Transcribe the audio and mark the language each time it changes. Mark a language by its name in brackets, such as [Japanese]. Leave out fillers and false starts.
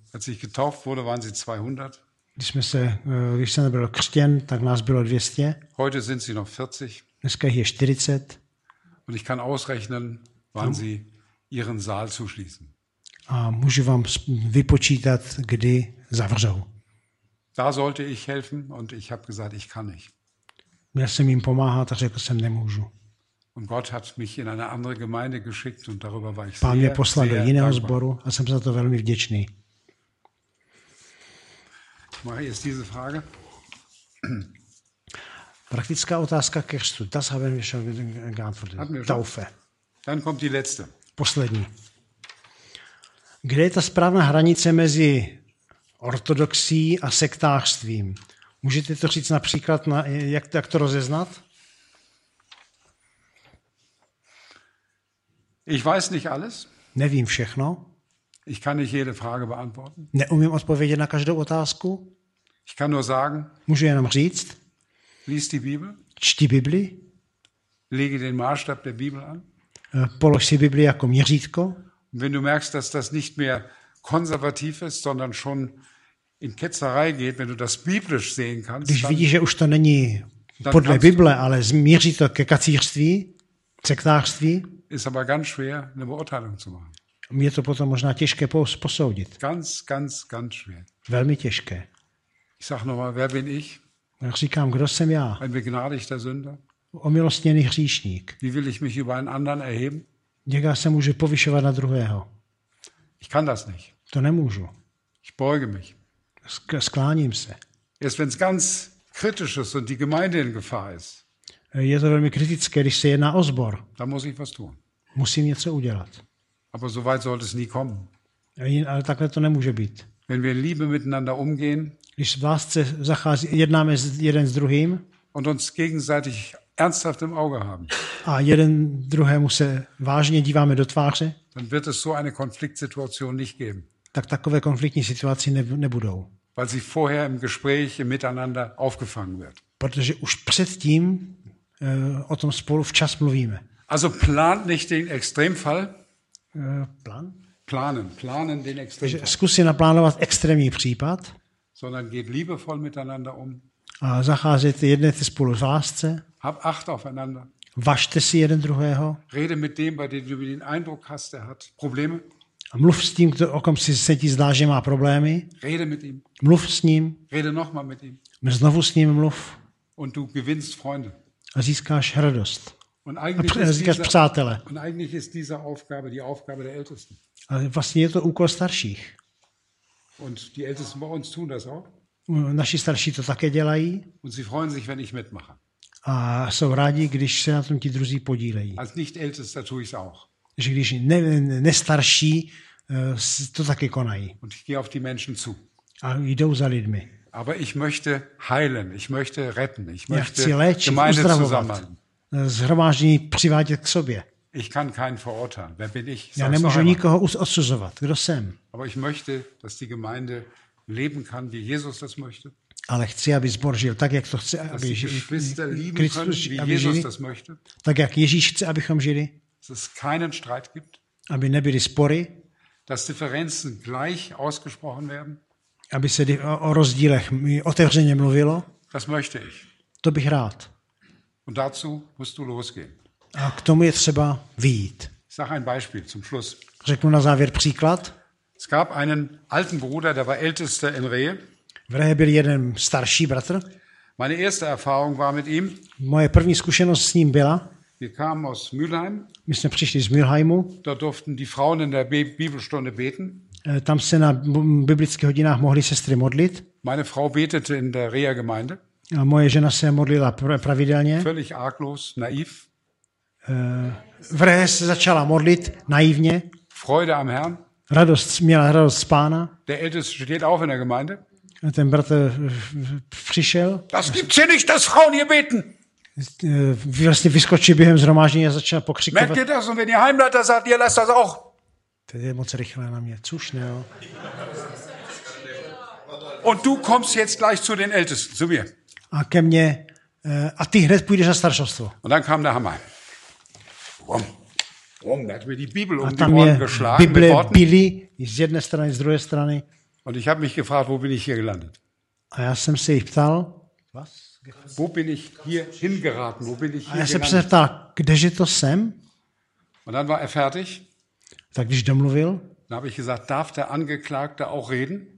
[German] Als ich getauft wurde, waren sie 200. [Czech] Když jsem byl křtěn, tak nás bylo 200. [German] Heute sind sie noch 40. [Czech] Dneska je [German] hier [Czech] 40. [German] Und ich kann ausrechnen, wann sie ihren Saal zuschließen. [Czech] A můžu vám vypočítat, kdy zavřou. [German] Da sollte ich helfen und ich habe gesagt, ich kann nicht. [Czech] Měl jsem jim pomáhat a řekl jsem, nemůžu. [German] Und Gott hat mich in eine andere Gemeinde geschickt und darüber war ich sehr, sehr dankbar. [Czech] Pán mě poslal do jiného sboru a jsem za to velmi vděčný. [German] Marie, ist diese Frage. [Czech] Praktická otázka ke křtu. [German] Das haben wir schon geantwortet. Taufe. Dann kommt die letzte. [Czech] Poslední. Kde je ta správná hranice mezi ortodoxí a sektářstvím? Můžete to říct například, jak to rozeznat? [German] Ich weiß nicht alles. [Czech] Nevím všechno. [German] Ich kann nicht jede Frage beantworten. [Czech] Neumím odpovědět na každou otázku. [German] Ich kann nur sagen, [Czech] můžu jenom říct, [German] lies die Bibel, [Czech] čti Bibli, [German] lege den Maßstab der Bibel an, [Czech] polož si Bibli jako měřítko. [German] Wenn du merkst, dass das nicht mehr konservativ ist, sondern schon in Ketzerei geht, wenn du das biblisch sehen kannst. [Czech] Když vidíš, že už to není podle Bible, ale změří to ke kacířství, sektářství. [German] Ist aber ganz schwer, eine Beurteilung zu machen. [Czech] Je to potom možná těžké posoudit. [German] Ganz schwer. [Czech] Velmi těžké. [German] Ich sag noch mal, wer bin ich? Ich [Czech] říkám, kdo jsem já? [German] Ein begnadigter Sünder. [Czech] Omilostněný hříšník. [German] Wie will ich mich über einen anderen erheben? [Czech] Jak já se můžu povyšovat na druhého? [German] Ich kann das nicht. [Czech] To nemůžu. [German] Ich beuge mich. [Czech] Skláním se. [German] Erst wenn's ganz kritisch ist und die Gemeinde in Gefahr ist. [Czech] Je to velmi kritické, když se jedná o sbor. [German] Da muss ich was tun. [Czech] Musím něco udělat. [German] Aber so weit sollte es nie kommen. [Czech] Ale takhle to nemůže být. [German] Wenn wir in Liebe miteinander umgehen. [Czech] Když v lásce zachází, jednáme jeden s druhým. [German] Und uns gegenseitig ernsthaft im Auge haben. [Czech] A jeden druhému se vážně díváme do tváře. [German] Dann wird es so eine Konfliktsituation nicht geben. [Czech] Tak takové konfliktní situace nebudou. [German] Weil sie vorher im Gespräch im miteinander aufgefangen wird. [Czech] Protože už předtím o tom spolu včas mluvíme. [German] Also plant nicht den Extremfall. Plan? Planen den Extremfall. [Czech] Zkus si naplánovat extrémní případ. [German] Sondern geht liebevoll miteinander um. [Czech] A zacházejte, jednete spolu v lásce. [German] Hab acht aufeinander. [Czech] Važte si jeden druhého. [German] Rede mit dem, bei dem du den Eindruck hast, der hat Probleme. [Czech] A mluv s tím, o kom si se ti zdá, že má problémy. [German] Rede mit ihm. [Czech] Mluv s ním. [German] Rede noch mal mit ihm. [Czech] Znovu s ním mluv. [German] Und du gewinnst Freunde. [Czech] A získáš radost. [German] Und eigentlich [Czech] a získáš přátele. [German] Und eigentlich ist diese Aufgabe die Aufgabe der Ältesten. [Czech] A vlastně je to úkol starších. [German] Und die Ältesten bei uns tun das auch. [Czech] Naši starší to také dělají. [German] Und sie freuen sich, wenn ich mitmache. [Czech] A jsou rádi, když se na tom ti druzí podílejí. [German] Als nicht ältester tue ich es auch. [Czech] Že když nestarší, to taky konají. [German] Und ich gehe auf die Menschen zu. [Czech] A jdou za lidmi. [German] Aber ich möchte heilen, ich möchte retten, ich [Czech] já [German] möchte Gemeinde zusammenhalten. [Czech] Zhromáždění přivádět k sobě. [German] Ich kann keinen verurteilen. Wer bin ich? [Czech] Já nemůžu nikoho odsuzovat. Kdo jsem? [German] Aber ich möchte, dass die Gemeinde leben kann, wie Jesus das möchte. [Czech] Ale chci, aby zbor žil tak, jak to chce, aby Kristus, aby [German] Jesus das möchte. [Czech] Tak, jak Ježíš chce, abychom žili. [German] Dass es keinen Streit gibt. [Czech] Aby nebyly spory. [German] Dass Differenzen gleich ausgesprochen werden. [Czech] Aby se o rozdílech otevřeně mluvilo. [German] Das möchte ich. [Czech] To bych rád. [German] Und dazu musst du losgehen. [Czech] A k tomu je třeba vyjít. [German] Sag ein Beispiel zum Schluss. [Czech] Řeknu na závěr příklad. [German] Es gab einen alten Bruder, der war ältester in Rehe. [Czech] V Rehe byl jeden starší bratr. [German] Meine erste Erfahrung war mit ihm. [Czech] Moje první zkušenost s ním byla. [German] Wir kamen aus Mülheim. [Czech] My jsme přišli z Mülheimu. [German] Da durften die Frauen in der Bibelstunde beten. [Czech] Tam se na biblických hodinách mohly sestry modlit. [German] Meine Frau betete in der Reha Gemeinde. [Czech] A moje žena se modlila pravidelně. [German] Völlig arglos, naiv. [Czech] V Rehe se začala modlit naivně. [German] Freude am Herrn. [Czech] Radost, měla radost z Pána. [German] Der älteste steht auch in der Gemeinde. [Czech] Ten bratr přišel. [German] Das gibt's hier nicht, dass Frauen hier beten. [Czech] Vlastně vyskočil během zhromáždění a začal pokřikovat. [German] Merkt ihr das? Und wenn ihr Heimleiter sagt, ihr lasst das auch. [Czech] To je moc rychle na mě. Cuš, ne, jo. [German] Und du kommst jetzt gleich zu den Ältesten, zu mir. [Czech] A ke mně. A ty hned půjdeš na staršovstvo. [German] Und dann kam der Hammer. Bum, da hat mir die Bibel um die Ohren geschlagen. [Czech] Bible bili z jedné strany, z druhé strany. [German] Und ich habe mich gefragt, wo bin ich hier gelandet? [Czech] A já jsem se jich ptal. [German] Was? Wo bin ich hier hingeraten? Wo bin ich hier gelandet? [Czech] A já jsem se ptal, kdeže to jsem? [German] Und dann war er fertig. [Czech] Tak když domluvil. [German] Dann habe ich gesagt, darf der Angeklagte auch reden?